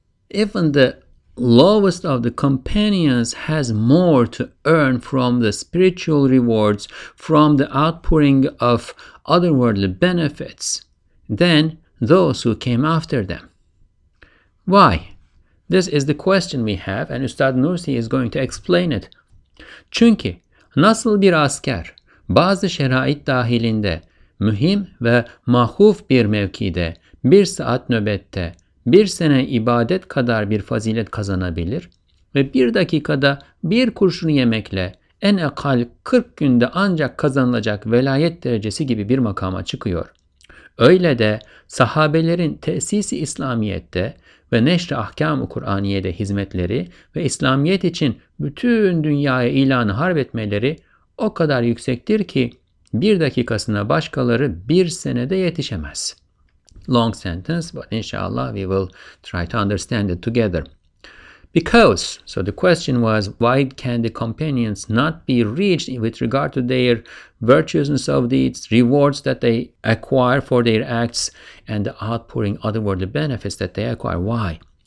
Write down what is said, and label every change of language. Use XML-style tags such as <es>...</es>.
<en>Even the lowest of the companions has more to earn from the spiritual rewards, from the outpouring of otherworldly benefits, than those who came after them. Why? This is the question we have, and Ustad Nursi is going to explain it.</en> <tr>Çünkü nasıl bir asker bazı şerait dahilinde mühim ve mahuf bir mevkide bir saat nöbette bir sene ibadet kadar bir fazilet kazanabilir ve bir dakikada bir kurşun yemekle en akal 40 günde ancak kazanılacak velayet derecesi gibi bir makama çıkıyor. Öyle de sahabelerin tesisi İslamiyet'te ve neşri ahkam-ı Kur'aniye'de hizmetleri ve İslamiyet için bütün dünyaya ilanı harbetmeleri o kadar yüksektir ki bir dakikasına başkaları bir senede yetişemez.</tr> <en>Long sentence, but inshallah we will try to understand it together. Because, so the question was, why can the companions not be reached with regard to their virtuousness of deeds, rewards that they acquire for their acts, and the outpouring otherworldly benefits that they acquire? Why?</en>